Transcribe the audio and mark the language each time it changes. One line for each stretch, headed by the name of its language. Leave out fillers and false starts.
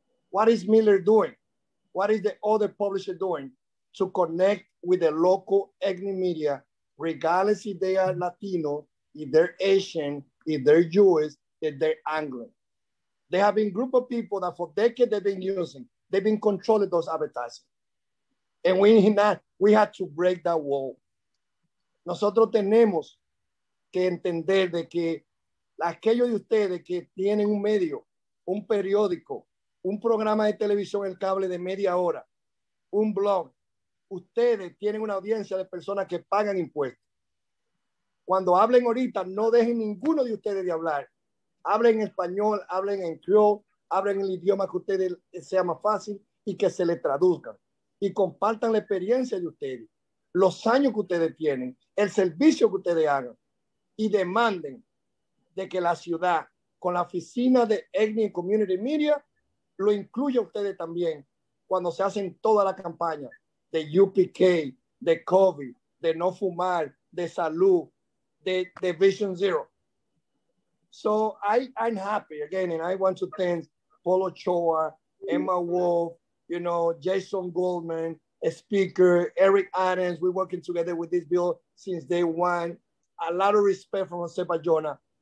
English: What is Miller doing? What is the other publisher doing to connect with the local ethnic media, regardless if they are Latino, if they're Asian, if they're Jewish, if they're Anglo? They have been group of people that for decades they've been using, they've been controlling those advertising. And we had to break that wall.
Spanish: Nosotros tenemos que entender de que aquellos de ustedes que tienen un medio, un periódico, un programa de televisión, el cable de media hora, un blog, ustedes tienen una audiencia de personas que pagan impuestos. Cuando hablen ahorita, no dejen ninguno de ustedes de hablar. Hablen en español, hablen en creole, hablen el idioma que ustedes sea más fácil y que se les traduzca. Y compartan la experiencia de ustedes, los años que ustedes tienen, el servicio que ustedes hagan, y demanden de que la ciudad con la oficina de Ethnic and Community Media lo incluya a ustedes también cuando se hacen toda la campaña de UPK, de COVID, de no fumar, de salud, de Vision Zero.
English: So I'm happy again, and I want to thank Paul Ochoa, Emma Wolf, Jason Goldman, a speaker, Eric Adams. We're working together with this bill since day one. A lot of respect from Jose Bayona.